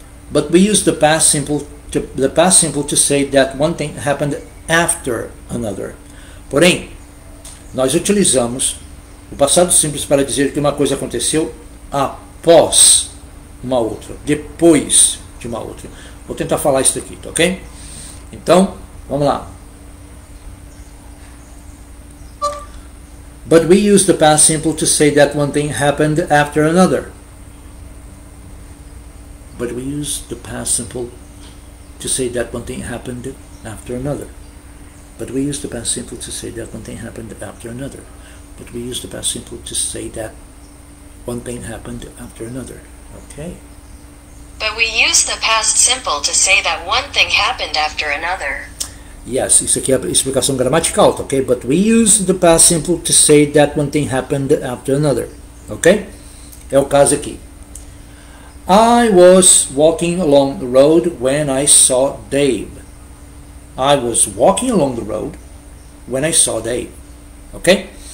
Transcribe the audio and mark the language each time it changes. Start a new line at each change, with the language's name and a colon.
English: But we use the past simple to say that one thing happened after another.
Portuguese: Porém, nós utilizamos o passado simples para dizer que uma coisa aconteceu após uma outra, depois de uma outra. Vou tentar falar isso aqui, tá ok? Então, vamos lá.
English: But we use the past simple to say that one thing happened after another. But we use the past simple to say that one thing happened after another. But we use the past simple to say that one thing happened after another. But we use the past simple to say that one thing happened after another. Okay. But we use the past simple to say that one thing happened after another.
Portuguese: Yes, isso aqui é a explicação gramatical, okay?
English: But we use the past simple to say that one thing happened after another. Okay?
Portuguese: É o caso aqui.
English: I was walking along the road when I saw Dave. I was walking along the road when I saw Dave. Ok?